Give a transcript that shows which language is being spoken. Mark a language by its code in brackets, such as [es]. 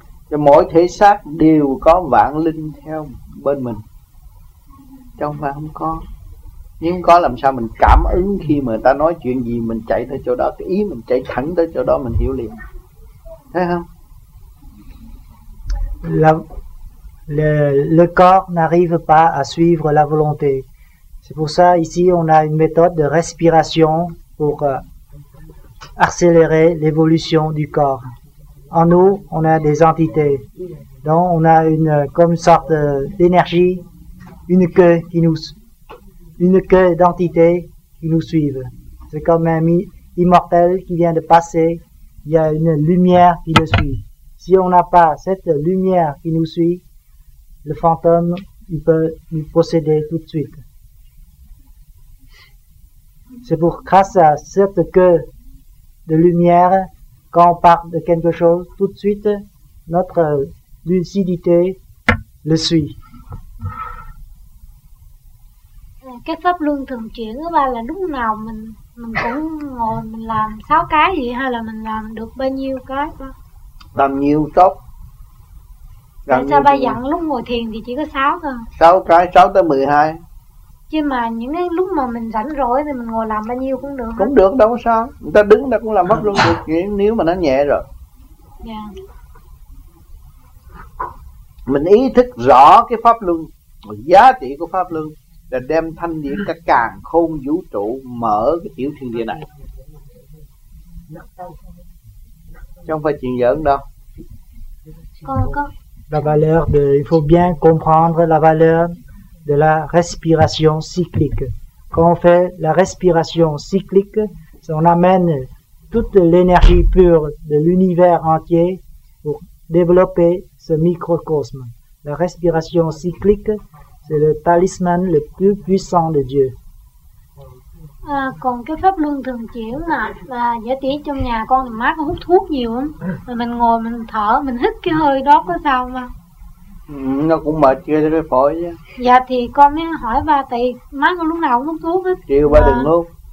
[vi] Cho mỗi thể xác đều có vạn linh theo bên mình. Trong phải không có. Nếu không có làm sao mình cảm ứng khi mà người ta nói chuyện gì mình chạy tới chỗ đó, cái ý mình chạy thẳng tới chỗ đó mình hiểu liền. Thấy không? [fr] Le corps n'arrive pas à suivre la volonté. C'est pour ça ici on a une méthode de respiration pour accélérer l'évolution du corps. En nous, on a des entités, donc on a une comme une sorte d'énergie, une queue qui nous, une queue d'entités qui nous suivent. C'est comme un immortel qui vient de passer. Il y a une lumière qui le suit. Si on n'a pas cette lumière qui nous suit, le fantôme, il peut nous posséder tout de suite. C'est pour grâce à cette queue de lumière, quand on parle de quelque chose, tout de suite, notre lucidité le suit. [vi] Cái pháp luân thường chuyển của ba là lúc nào mình cũng ngồi mình làm 6 cái gì hay là mình làm được bao nhiêu cái ba? Làm nhiều tốt. Tại sao ba dặn lúc ngồi thiền thì chỉ có 6 thôi? 6 cái, 6 tới 12. Chứ mà những cái lúc mà mình rảnh rỗi thì mình ngồi làm bao nhiêu cũng được. Cũng được đâu có sao. Người ta đứng người ta cũng làm pháp luân được chuyển nếu mà nó nhẹ rồi. Dạ. Mình ý thức rõ cái pháp luân, giá trị của pháp luân, là đem thanh điển cả càn khôn vũ trụ mở cái tiểu thiên địa này. Không phải chuyện giỡn đâu. [fr] La valeur de, il faut bien comprendre la valeur de la respiration cyclique. Quand on fait la respiration cyclique, on amène toute l'énergie pure de l'univers entier pour développer ce microcosme. La respiration cyclique, c'est le talisman le plus puissant de Dieu. [vi] À, còn cái pháp luân thường chuyển mà là giả tỷ trong nhà con thì má con hút thuốc nhiều lắm, mà mình ngồi mình thở mình hít cái hơi đó có sao mà? Nó cũng mệt chưa cái phổi chứ. Dạ thì con mới hỏi ba tỷ má con lúc nào cũng hút thuốc hết. Chịu ba đừng hút.